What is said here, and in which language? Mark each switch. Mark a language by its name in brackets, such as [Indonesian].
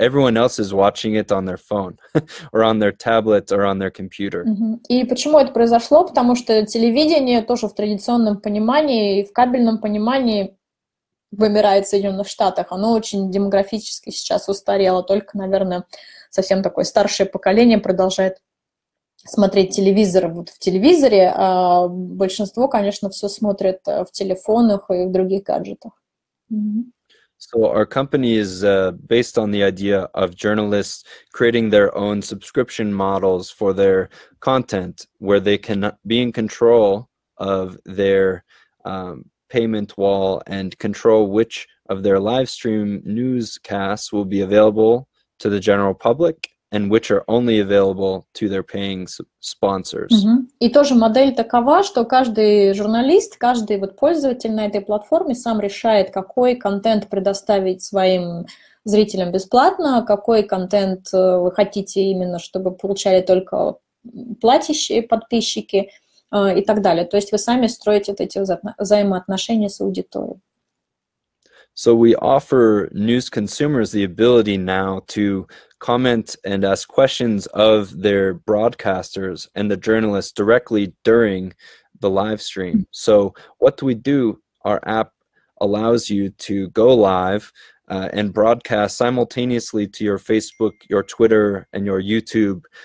[English] Everyone else is watching it on their phone or on their tablet or on their computer. [Russian] И почему это произошло? Потому что телевидение тоже в традиционном понимании и в кабельном понимании вымирает в Соединенных Штатах. Оно очень демографически сейчас устарело. Только, наверное, совсем такое старшее поколение продолжает смотреть телевизор. Вот в телевизоре, а большинство, конечно, все смотрит в телефонах и в других гаджетах. [English] So our company is based on the idea of journalists creating their own subscription models for their content, where they can be in control of their payment wall and control which of their live stream newscasts will be available to the general public and which are only available to their paying sponsors. [Russian] И тоже модель такова, что каждый журналист, каждый вот пользователь на этой платформе сам решает, какой контент предоставить своим зрителям бесплатно, какой контент вы хотите именно, чтобы получали только платящие подписчики и так далее. То есть вы сами строите вот эти взаимоотношения с аудиторией. [English] So we offer news consumers the ability now to comment and ask questions of their broadcasters and the journalists directly during the live stream. So what do we do? Our app allows you to go live and broadcast simultaneously to your Facebook, your Twitter, and your YouTube.